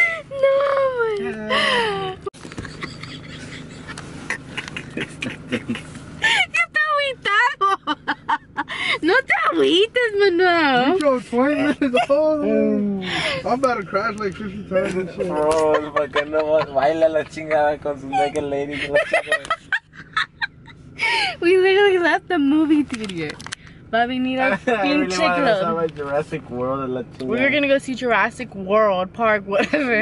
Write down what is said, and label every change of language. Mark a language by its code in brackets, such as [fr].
[en] No! [es] ¿Qué está agüitado? No te agüites, Manuel. [en] You drove 20 minutes all the way. I'm about to crash like 50 times and shit. [es] Bro, ¿por qué no vas a bailar la chingada con su [en] naked lady? We literally left the movie theater. Bobby need a fucking chicklo. We were gonna go see Jurassic World, Park, whatever.